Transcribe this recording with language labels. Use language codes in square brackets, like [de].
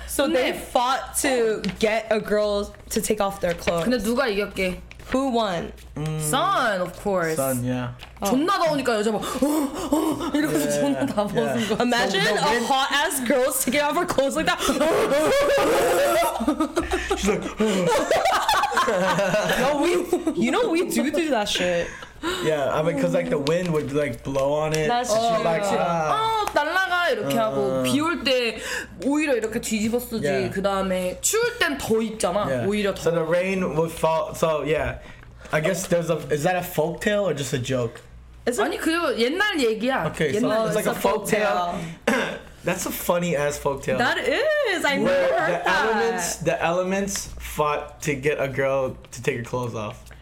[en] So they fought to get a girl to take off their clothes. [ko] 근데 누가 이겼게? [en] Who won? Sun, of course. Sun, yeah. [ko] 존나 더우니까 여자 막 이러면서 존나 다 벗은 거. [en] Imagine a hot ass girl taking off her clothes like that. She's like, no, we do that shit. Yeah, I mean, cause like the wind would like blow on it. That's and true. She's like, ah. [ko] Oh, 날라가 이렇게 하고 비 올 때 오히려 이렇게 뒤집었지. 그다음에 추울 땐 더 있잖아. 오히려 더. [en] So the rain would fall. So yeah. I guess there's a. Is that a folk tale or just a joke? It's [ko] 아니 그 옛날 얘기야. [en] Okay, so it's like a folk tale. That's a funny ass folktale. That is. I never heard that. The elements fought to get a girl to take her clothes off.